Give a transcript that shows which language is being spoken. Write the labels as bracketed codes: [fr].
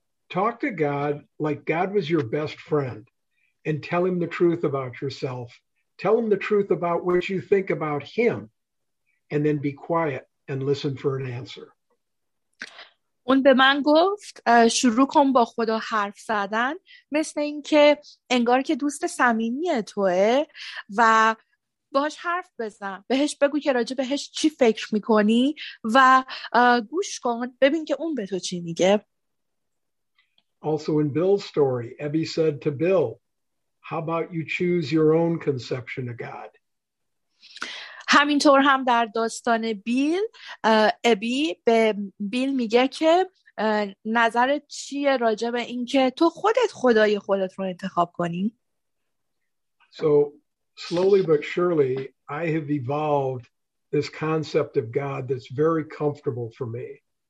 [en] Talk to God like God was your best friend and tell him the truth about yourself. Tell him the truth about what you think about him, and then be quiet and listen for an answer. [fa] اون به من گفت شروع کن با خدا حرف زدن مثل اینکه انگار که دوست صمیمی توئه و باهاش حرف بزن، بهش بگو که راجع بهش چی فکر میکنی و گوش کن ببین که اون به تو چی میگه. [en] Also in Bill's story, Abby said to Bill, how about you choose your own conception of God? [fa] همینطور هم در داستان بیل، ابی به بیل میگه که نظرت چیه راجع به این که تو خودت خدای خودت رو انتخاب کنی؟ [en] So, slowly but surely, I have evolved this concept of God that's very comfortable for me.